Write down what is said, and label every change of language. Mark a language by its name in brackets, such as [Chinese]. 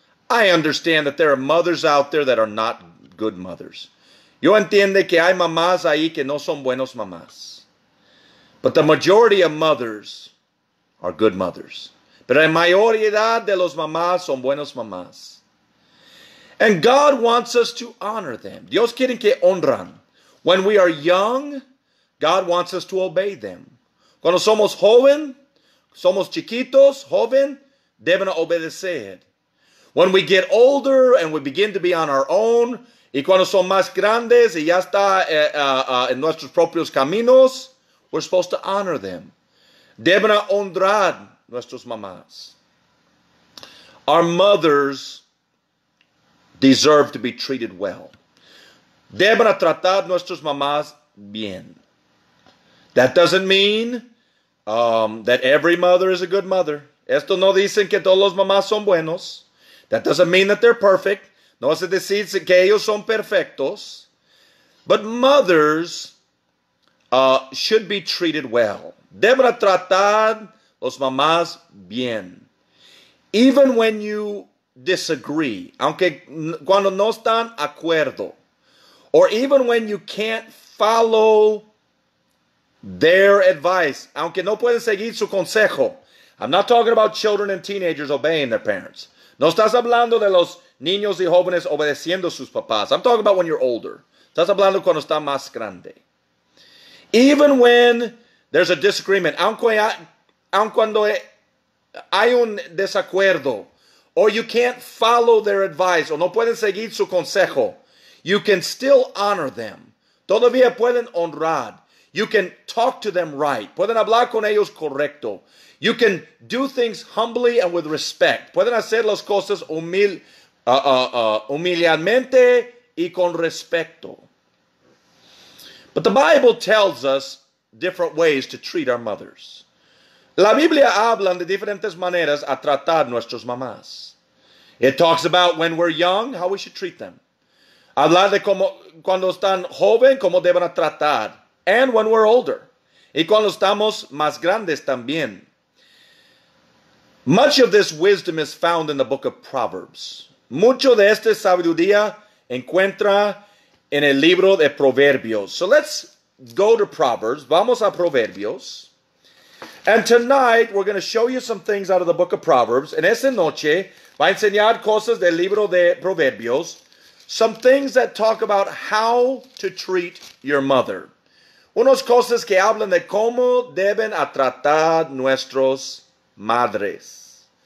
[English] I understand that there are mothers out there that are not good mothers. [Spanish] Yo entiendo que hay mamás ahí que no son buenos mamás. [English] But the majority of mothers are good mothers. [Spanish] Pero la mayoría de los mamás son buenos mamás. [English] And God wants us to honor them. [Spanish] Dios quiere que honran. [English] When we are young, God wants us to obey them. [Spanish] Cuando somos joven, somos chiquitos, joven, deben obedecer. [English] When we get older and we begin to be on our own, [Spanish] y cuando son más grandes y ya está en nuestros propios caminos, [English] we're supposed to honor them. [Spanish] Deben honrar nuestros mamás. [English] Our mothers deserve to be treated well. [Spanish] Deben tratar nuestros mamás bien. [English] That doesn't mean that every mother is a good mother. [Spanish] Esto no dicen que todos los mamás son buenos. [English] That doesn't mean that they're perfect. [Spanish] No se dice que ellos son perfectos. [English] But mothers should be treated well. [Spanish] Deben tratar los mamás bien. [English] Even when you disagree. [Spanish] Aunque cuando no están acuerdo. [English] Or even when you can't follow their advice. [Spanish] Aunque no pueden seguir su consejo. [English] I'm not talking about children and teenagers obeying their parents. [Spanish] No estás hablando de los niños y jóvenes obedeciendo sus papás. [English] I'm talking about when you're older. [Spanish] Estás hablando cuando está más grande. [English] Even when there's a disagreement. [Spanish] Aun cuando hay un desacuerdo. [English] Or you can't follow their advice. [Spanish] O no pueden seguir su consejo. [English] You can still honor them. [Spanish] Todavía pueden honrar. [English] You can talk to them right. [Spanish] Pueden hablar con ellos correcto. [English] You can do things humbly and with respect. [Spanish] Pueden hacer las cosas humildemente y con respeto. [English] But the Bible tells us different ways to treat our mothers. [Spanish] La Biblia habla de diferentes maneras a tratar nuestras mamás. [English] It talks about when we're young, how we should treat them. [Spanish] Habla de cómo cuando están joven, cómo deben tratar. And when we're older. Y cuando estamos más grandes también. [English] Much of this wisdom is found in the book of Proverbs. [Spanish] Mucho de esta sabiduría encuentra en el libro de Proverbios. [English] So let's go to Proverbs. [Spanish] Vamos a Proverbios. [English] And tonight, we're going to show you some things out of the book of Proverbs. [Spanish] En esta noche, va a enseñar cosas del libro de Proverbios. [English] Some things that talk about how to treat your mother. [Spanish] Unas cosas que hablan de cómo deben a tratar nuestros madres.